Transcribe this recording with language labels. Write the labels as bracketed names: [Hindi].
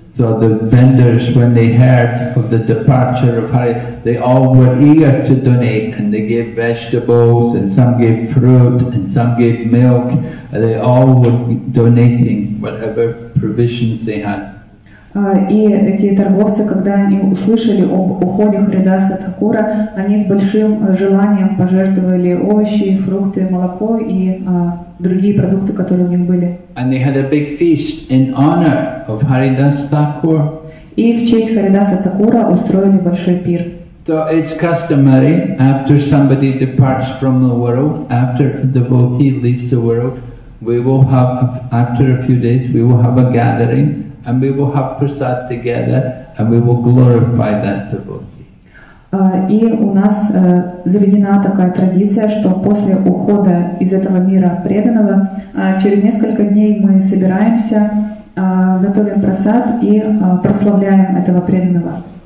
[English] So the vendors, when they heard of the departure of Hari, they all were eager to donate, and they gave vegetables, and some gave fruit, and some gave milk, and they all were donating whatever provisions they had. [Russian] И эти торговцы, когда они услышали об уходе Харидаса Такура, они с большим желанием пожертвовали овощи, фрукты, молоко и другие продукты, которые у них были. [English] And they had a big feast in honor of Haridas Thakur. [Russian] И в честь Харидаса Такура устроили большой пир. [English] So it's customary, after somebody departs from the world, after a devotee leaves the world, we will have, after a few days, we will have a gathering, and we will have prasad together, and we will glorify that devotee. [Russian] И у нас заведена такая традиция, что после ухода из этого мира преданного, через несколько дней мы собираемся, готовим просад и прославляем этого преданного.